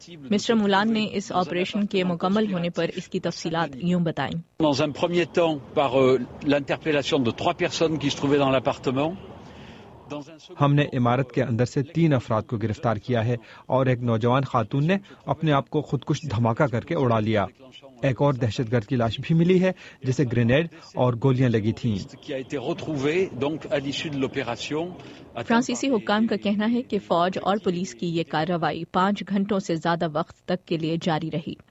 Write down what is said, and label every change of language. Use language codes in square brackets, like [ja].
[ur] Mister مولان نے اس operation کے مکمل ہونے پر اس کی تفصیلات یوں بتائیں. [fr] Dans un premier temps, par l'interpellation de 3 personnes qui se trouvaient dans l'appartement. [ur] ہم نے عمارت کے اندر سے 3 افراد کو گرفتار کیا ہے اور ایک نوجوان خاتون نے اپنے آپ کو خودکش دھماکہ کر کے اڑا لیا. ایک اور دہشت گرد کی لاش بھی ملی ہے جسے گرینیڈ اور گولیاں لگی تھیں. فرانسیسی حکام کا کہنا ہے کہ فوج اور پولیس کی یہ کارروائی 5 گھنٹوں سے زیادہ وقت تک کے لیے جاری رہی.